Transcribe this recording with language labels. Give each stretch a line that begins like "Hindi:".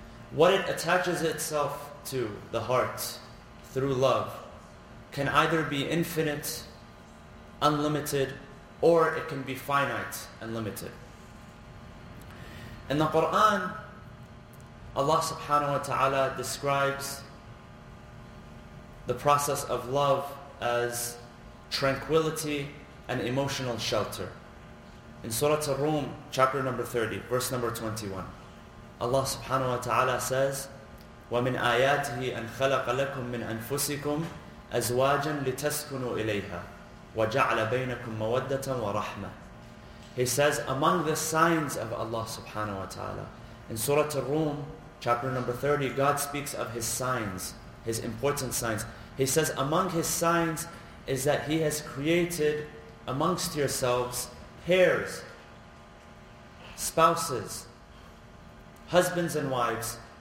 English: What it attaches itself to, the heart, through love, can either be infinite, unlimited, or it can be finite and limited. In the Quran, Allah subhanahu wa ta'ala describes the process of love as tranquility and emotional shelter. In Surah Ar-Rum, chapter number 30, verse number 21, Allah subhanahu wa ta'ala says,
Arabic: وَمِنْ آيَاتِهِ أَنْ خَلَقَ لَكُمْ مِنْ أَنْفُسِكُمْ أَزْوَاجًا لِتَسْكُنُوا إِلَيْهَا وَجَعْلَ بَيْنَكُمْ مَوَدَّةً وَرَحْمَةً.
English: He says, among the signs of Allah subhanahu wa ta'ala, in Surah Ar-Rum, chapter number 30, God speaks of His signs, His important signs. He says, among His signs is that He has created amongst yourselves pairs, spouses, husbands and wives.